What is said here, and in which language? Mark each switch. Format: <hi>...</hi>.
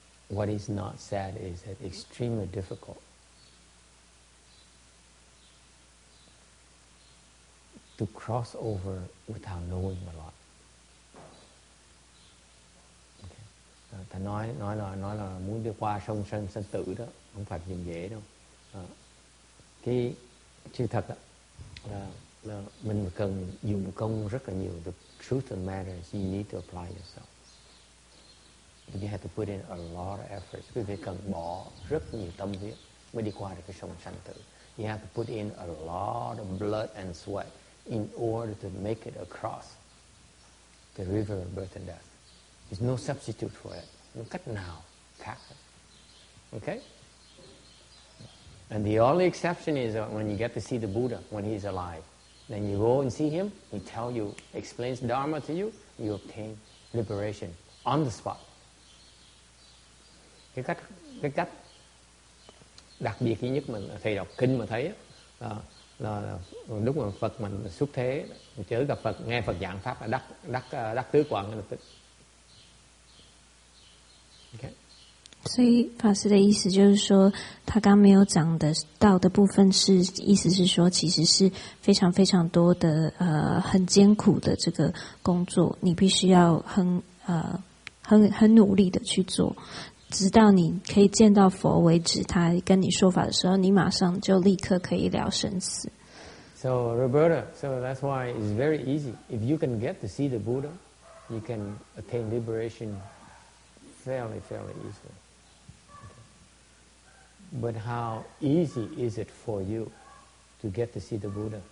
<en>What is not said is that extremely difficult to cross over without knowing a lot. Okay.</en> <vi>Thầy nói là muốn đi qua sông sanh sanh tử đó không phải chuyện dễ đâu. Cái chuyện thật đó, là mình cần dùng công rất là nhiều.</vi> <en>The truth of the matter is you need to apply yourself. You have to put in a lot of effort.</en> <vi>Quý vị cần bỏ rất nhiều tâm huyết mới đi qua được cái sông sanh tử.</vi> <en>You have to put in a lot of blood and sweat in order to make it across the river of birth and death. There's no substitute for it. No</en> <vi>cách nào khác.</vi> <en>Okay? And the only exception is when you get to see the Buddha, when he's alive. Then you go and see him, he tell you, explains Dharma to you, you obtain liberation on the spot.</en> <vi>Cái cách đặc biệt duy nhất mình thầy đọc kinh mà thấy là lúc mà Phật mình xuất thế chớ gặp Phật nghe Phật giảng pháp là đắc tứ quận là tức.</vi> <en>OK.</en> <zh>所以法师的意思就是说，他刚没有讲的到的部分是，意思是说，其实是非常非常多的很艰苦的这个工作，你必须要很努力的去做。直到你可以见到佛为止，他跟你说法的时候，你马上就立刻可以了生死。</zh> <en>So Roberta, so that's why it's very easy. If you can get to see the Buddha, you can attain liberation fairly, fairly easily. But how easy is it for you to get to see the Buddha?</en>